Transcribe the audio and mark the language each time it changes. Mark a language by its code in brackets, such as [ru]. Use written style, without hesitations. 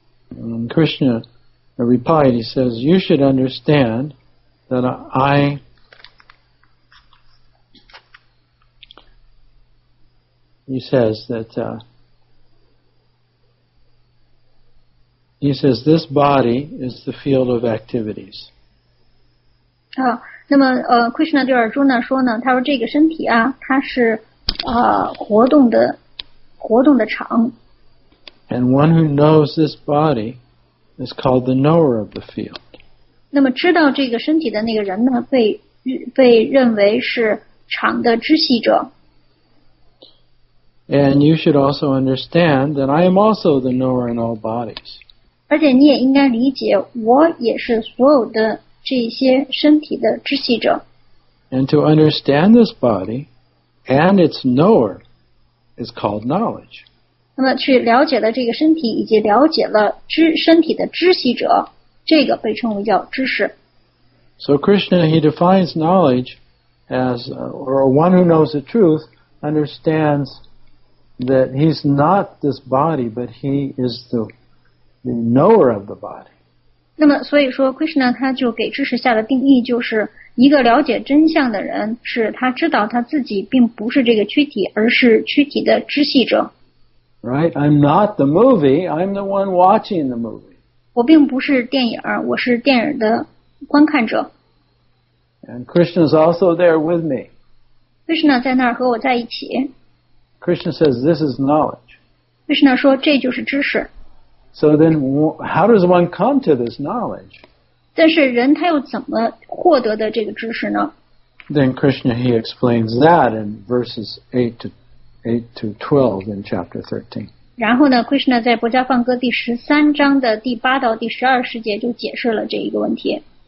[en] Krishna replied, he says, you should understand that I he says this body is the field of activities. [zh] 啊，那么Krishna 对Arjuna说呢，他说这个身体啊，它是活动的。 [en] And one who knows this body is called the knower of the field. [zh] 那么知道这个身体的那个人呢，被认为是场的知悉者。 [en] And you should also understand that I am also the knower in all bodies. [zh] 而且你也应该理解，我也是所有的这些身体的知悉者。 [en] And to understand this body and its knower. Is called knowledge. [zh] 那么去了解了这个身体以及了解了身体的知悉者，这个被称为叫知识。 [en] So Krishna, he defines knowledge as, or one who knows the truth understands that he's not this body, but he is the knower of the body. [zh] 那么所以说 Krishna 他就给知识下的定义就是一个了解真相的人是他知道他自己并不是这个躯体而是躯体的知悉者。 [en] Right, I'm not the movie, I'm the one watching the movie. [zh] 我并不是电影，我是电影的观看者。 [en] And Krishna is also there with me. [zh] Krishna 在那儿和我在一起。 [en] Krishna says this is knowledge. [zh] Krishna 说这就是知识。 [en] So then how does one come to this knowledge? [zh] 但是人他又怎么获得的这个知识呢？ [en] Then Krishna he explains that in verses 8 to 12 in chapter 13. [zh] 然后呢 ，Krishna 在《薄伽梵歌》第十三章的第八到第十二世界就解释了这一个问题。